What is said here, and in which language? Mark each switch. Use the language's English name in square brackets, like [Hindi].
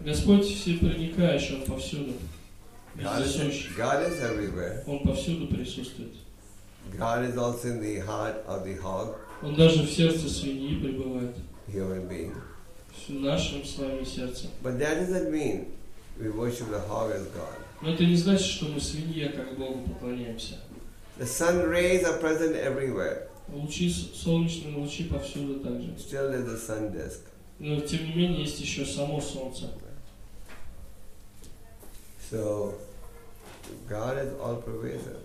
[Russian] Господь всепроникающий, Он повсюду. [English] God is everywhere. [Russian] Он повсюду присутствует. [English] God is also in the heart of the hog. [Russian] Он даже в сердце свиньи пребывает. [English] Human being. [Russian] В нашем с вами сердце. [English] But that doesn't mean we worship the hog as God. [Russian] Но это не значит, что мы свинье как Богу поклоняемся. [English] The sun rays are present everywhere. [Russian] Лучи солнечные лучи повсюду также. [English] Still there's a sun disk. [Russian] Но тем не менее есть еще само солнце. [English] So God is all pervasive.